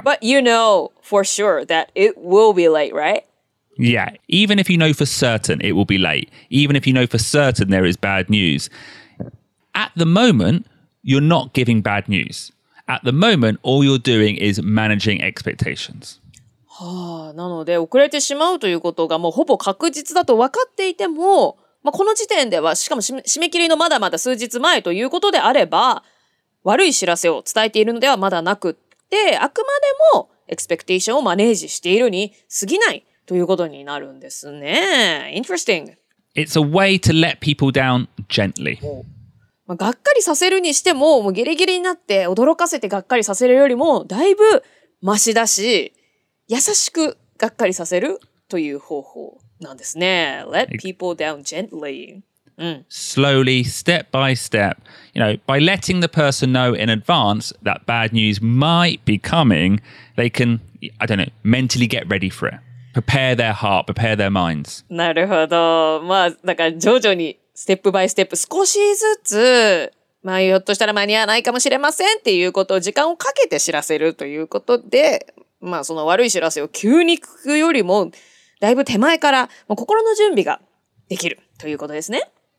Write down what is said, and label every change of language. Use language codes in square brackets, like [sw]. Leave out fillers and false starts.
[en] But you know for sure that it will be late, right Yeah, even if you know for certain it will be late, even if you know for certain there is bad news, at the moment, you're not giving bad news. At the moment, all you're doing is managing expectations. [ja] はあ、なので遅れてしまうということがもうほぼ確実だと分かっていても、まあ、この時点では、しかも締め切りのまだまだ数日前ということであれば、悪い知らせを伝えているのではまだなくって、あくまでもエクスペクテーションをマネージしているに過ぎない。ということになるんですね。 [en] Interesting. It's a way to let people down gently. [ja] まあ、がっかりさせるにして もうギリギリになって驚かせてがっかりさせるよりもだいぶマシだし、優しくがっかりさせるという方法なんですね。 [en] Let people down gently. Slowly, step by step. You know, by letting the person know in advance that bad news might be coming, they can, I don't know, mentally get ready for it. Prepare their heart, prepare their minds. [ja] なるほど。まあ、なんか徐々に、ステップバイステップ、少しずつ、まあ、ひょっとしたら間に合わないかもしれませんっていうことを時間をかけて知らせるということで、まあ、その悪い知らせを急に聞くよりも、だいぶ手前から、もう心の準備ができるということですね。